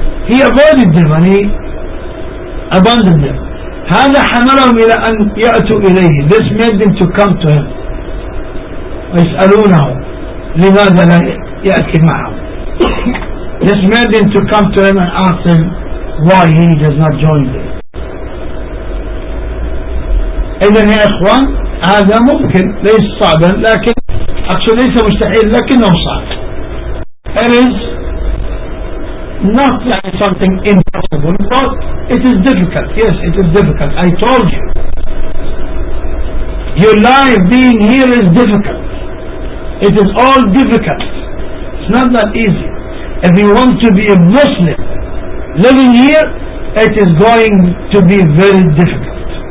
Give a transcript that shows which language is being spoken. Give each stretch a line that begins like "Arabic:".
English: He avoided them and he abandoned them.
Arabic: هذا حملهم إلى أن يأتوا إليه.
English: This made them to come to him.
Arabic: ويسألونه لماذا لا يأتي معهم.
English: This made them to come to him and ask him why he does not join them.
Arabic: إذن يا إخوان هذا ممكن, ليس صعبا, لكن
English: actually
Arabic: ليس مستحيل لكنه صعب.
English: It is not something impossible, but it is difficult. Yes, it is difficult. I told you, your life being here is difficult. It is all difficult. It's not that easy. If you want to be a Muslim living here, it is going to be very difficult.